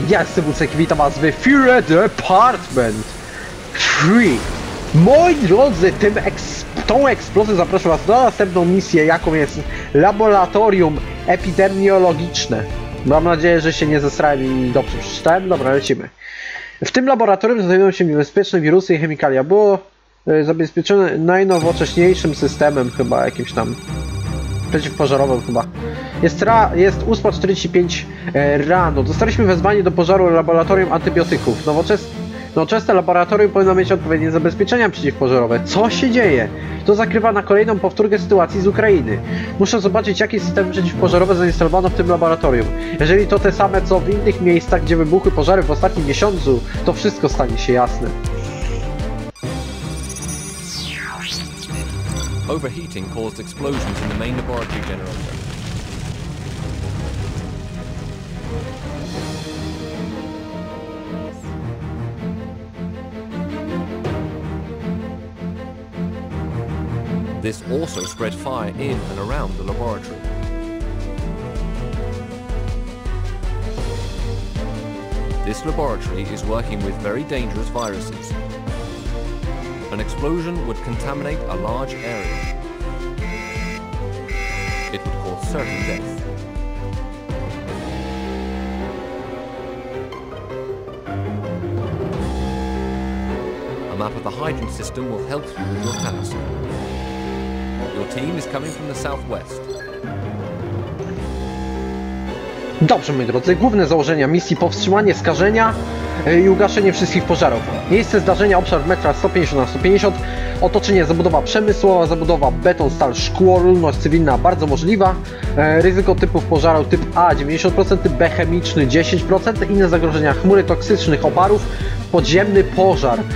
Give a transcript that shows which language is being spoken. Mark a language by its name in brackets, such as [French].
[Polish] Ja jestem Wucek i witam was w Fury Department 3. Moi drodzy, tą eksplozję zapraszam was na następną misję, jaką jest Laboratorium Epidemiologiczne. Mam nadzieję, że się nie zesrałem i dobrze przeczytałem. Dobra, lecimy. W tym laboratorium znajdują się niebezpieczne wirusy i chemikalia. Było zabezpieczone najnowocześniejszym systemem, chyba jakimś tam przeciwpożarowym chyba. Jest 8:45 rano. Dostaliśmy wezwanie do pożaru laboratorium antybiotyków. Nowoczesne laboratorium powinno mieć odpowiednie zabezpieczenia przeciwpożarowe. Co się dzieje? To zakrywa na kolejną powtórkę sytuacji z Ukrainy. Muszę zobaczyć, jakie systemy przeciwpożarowe zainstalowano w tym laboratorium. Jeżeli to te same, co w innych miejscach, gdzie wybuchły pożary w ostatnim miesiącu, to wszystko stanie się jasne. [English] Overheating caused explosions in the main laboratory generator. This also spread fire in and around the laboratory. This laboratory is working with very dangerous viruses. An explosion would contaminate a large area. It would cause certain death. A map of the hydrant system will help you with your task. Your team is coming from the southwest. [Polish] Dobrze, moi drodzy, główne założenia misji: powstrzymanie skażenia i ugaszenie wszystkich pożarów. Miejsce zdarzenia, obszar w metrach 150 na 150. Otoczenie: zabudowa przemysłowa, zabudowa beton, stal, szkło, ludność cywilna bardzo możliwa. Ryzyko typów pożaru: typ A 90%, typ B chemiczny 10%, inne zagrożenia: chmury toksycznych oparów, podziemny pożar.